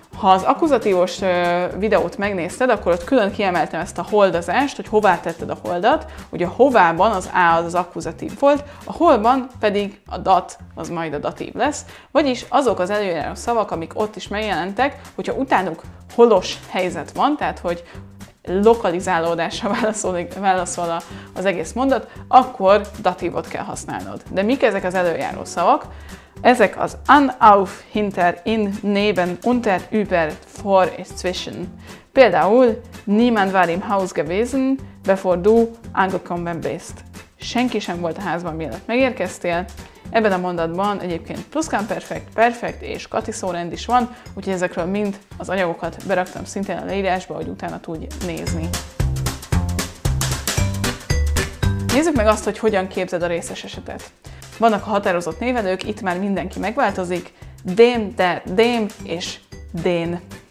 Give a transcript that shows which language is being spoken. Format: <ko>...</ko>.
<hu>Ha az akkuzatívos videót megnézted, akkor ott külön kiemeltem ezt a holdazást, hogy hová tetted a holdat, ugye a hovában az á az akkuzatív volt, a holban pedig a dat az majd a datív lesz, vagyis azok az előjáró szavak, amik ott is megjelentek, hogyha utánuk holos helyzet van, tehát hogy lokalizálódásra válaszol az egész mondat, akkor datívot kell használnod. De mik ezek az előjáró szavak? Ezek az an, auf, hinter, in, neben, unter, über, vor és zwischen. Például</hu> <de>niemand war im Haus gewesen, bevor du angekommen bist.</de> <hu>Senki sem volt a házban, mielőtt megérkeztél. Ebben a mondatban egyébként pluszkvamperfekt, perfekt és katiszórend is van, úgyhogy ezekről mind az anyagokat beraktam szintén a leírásba, hogy utána tudj nézni. Nézzük meg azt, hogy hogyan képzed a részes esetet. Vannak a határozott névelők, itt már mindenki megváltozik, dem, der, dem és den.</hu>